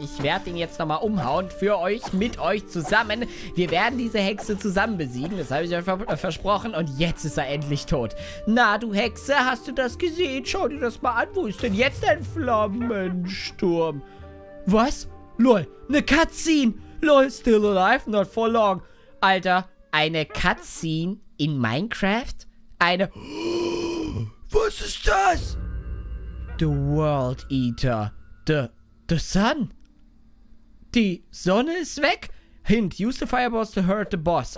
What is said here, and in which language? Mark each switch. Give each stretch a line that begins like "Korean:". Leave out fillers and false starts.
German: Ich werde den jetzt nochmal umhauen für euch, mit euch zusammen. Wir werden diese Hexe zusammen besiegen, das habe ich euch versprochen. Und jetzt ist er endlich tot. Na, du Hexe, hast du das gesehen? Schau dir das mal an. Wo ist denn jetzt dein Flammensturm. Was? Lol, eine Cutscene.
English: Lol, still alive, not for long.
German: Alter, eine Cutscene in Minecraft? Eine... Was ist das? The World Eater.
English: The Sun?
German: Die Sonne ist weg?
English: Hint, use the fireballs to hurt the boss.